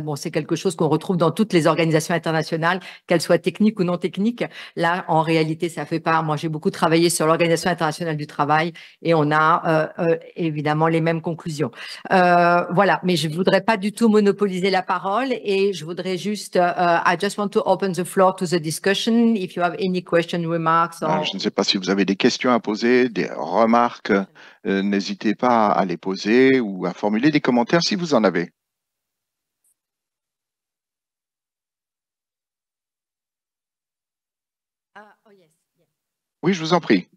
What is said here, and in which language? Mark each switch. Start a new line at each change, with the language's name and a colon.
French: Bon, c'est quelque chose qu'on retrouve dans toutes les organisations internationales, qu'elles soient techniques ou non techniques. Là, en réalité, ça fait part. Moi, j'ai beaucoup travaillé sur l'Organisation internationale du travail et on a évidemment les mêmes conclusions. Voilà, mais je ne voudrais pas du tout monopoliser la parole et je voudrais juste...
English: I just want to open the floor to the discussion if you have any questions, remarks. Or...
French: Je ne sais pas si vous avez des questions à poser, des remarques. N'hésitez pas à les poser ou à formuler des commentaires si vous en avez. Oui, je vous en prie.